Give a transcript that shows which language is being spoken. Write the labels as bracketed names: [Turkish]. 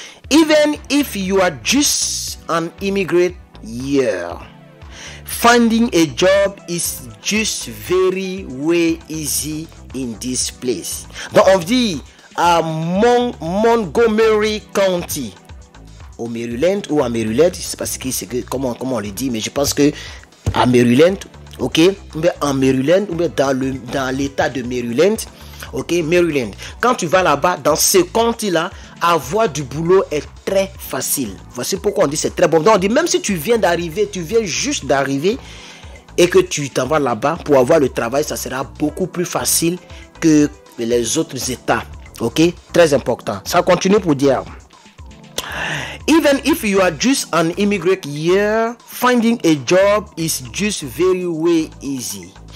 [English] Even if you are just an immigrant here, finding a job is just very, very easy. In this place. [French] Donc on dit à Montgomery County au Maryland ou à Maryland, c'est parce que c'est que comment on le dit, mais je pense que à Maryland, ok, mais en Maryland ou dans l'état de Maryland, ok, Maryland, quand tu vas là-bas dans ce county là, avoir du boulot est très facile. Voici pourquoi on dit c'est très bon. Donc on dit même si tu viens juste d'arriver et que tu t'en vas là-bas pour avoir le travail, ça sera beaucoup plus facile que les autres états. Ok? Très important. Ça continue pour dire. [English] Even if you are just an immigrant here, finding a job is just very, very easy.